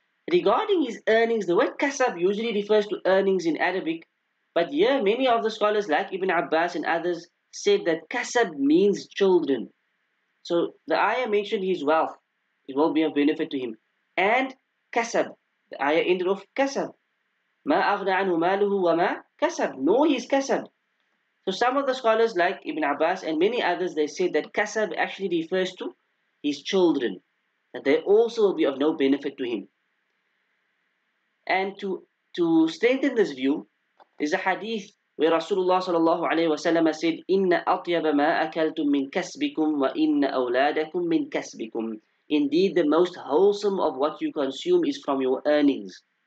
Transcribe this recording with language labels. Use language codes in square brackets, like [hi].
[en] Regarding his earnings, the word kasab usually refers to earnings in Arabic. But here, many of the scholars, like Ibn Abbas and others, said that kasab means children. So the ayah mentioned his wealth. It will be of benefit to him. And kasab. The ayah ended of kasab. [ar] مَا أَغْنَى عَنْهُ مَالُهُ وَمَا كَسَبْ [en] Know his kasab. So some of the scholars like Ibn Abbas and many others, they said that kasab actually refers to his children, that they also will be of no benefit to him. And to strengthen this view, there's a hadith where Rasulullah sallallahu alayhi wa sallam said, [ar] إِنَّ أَطْيَبَ مَا أَكَلْتُمْ مِنْ كَسْبِكُمْ [en] وَإِنَّ أَوْلَادَكُمْ مِنْ كَسْبِكُمْ Indeed, the most wholesome of what you consume is from your earnings.